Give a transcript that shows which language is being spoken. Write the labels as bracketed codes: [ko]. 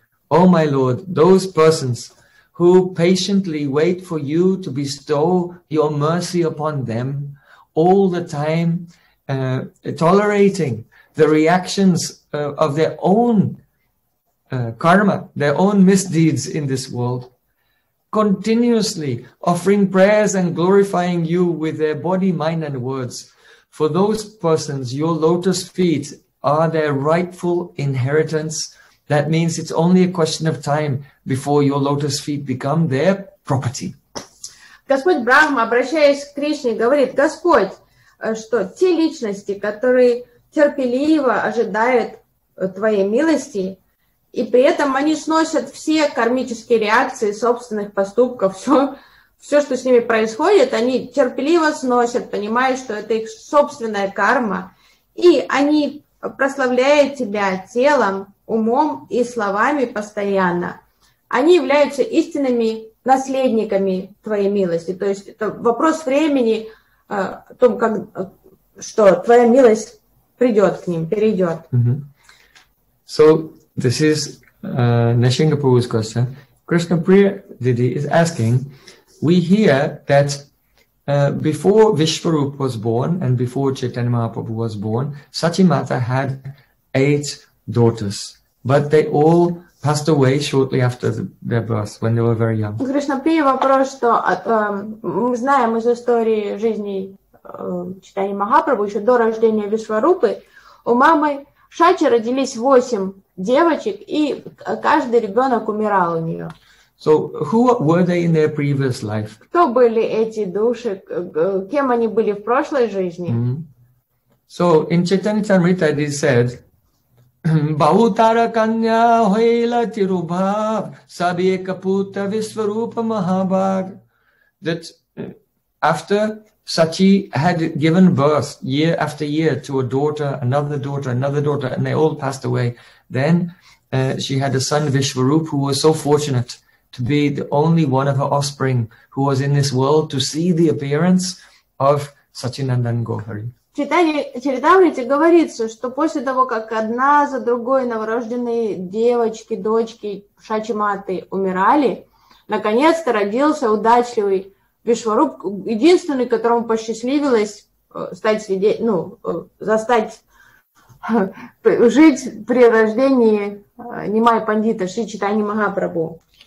[en] O my Lord, those persons who patiently wait for you to bestow your mercy upon them, all the time tolerating the reactions of their own karma, their own misdeeds in this world, continuously offering prayers and glorifying you with their body, mind, and words. For those persons, your lotus feet are their rightful inheritance. That means it's only a question of time before your lotus feet become their property. [ru] Господь Брахма, обращаясь к Кришне, говорит, Господь, что те личности, которые терпеливо ожидают твоей милости, и при этом они сносят все кармические реакции собственных поступков, все, что с ними происходит, они терпеливо сносят, понимая, что это их собственная карма. И они прославляют тебя телом, умом и словами постоянно. Они являются истинными наследниками твоей милости. То есть это вопрос времени, о том, как, что твоя милость придет к ним, перейдет. [en] So... this is Narasimha Prabhu's question. Krishna Priyadidhi is asking, we hear that before Vishwarup was born and before Chaitanya Mahaprabhu was born, Sachimata had 8 daughters, but they all passed away shortly after their birth, when they were very young. [ru] Krishna Priya вопрос, что мы знаем из истории жизни Chaitanya Mahaprabhu, еще до рождения Вишварупы, у мамы Шачи родились 8 девочек, и каждый ребенок умирал у нее. [en] So, who were they in their previous life? [ru] Кто были эти души? Кем они были в прошлой жизни? [en] So, in Chaitanya Charitamrita it is said, [sa] Bahutara kanya hoila tirubhav sabye kaputa visvarupa mahabhag. [en] That after Sachi had given birth year after year to a daughter, another daughter, another daughter, and they all passed away. Then she had a son, Vishwarup, who was so fortunate to be the only one of her offspring who was in this world to see the appearance of Sachinandan Gohari. [ru] Чаритамрити говорится, что после того, как одна за другой новорожденные девочки, дочки, шачиматы умирали, наконец-то родился удачливый Вишваруп, единственный, которому посчастливилось стать застать жить при рождении Нимай Пандита, Шри Чайтаньи Махапрабху.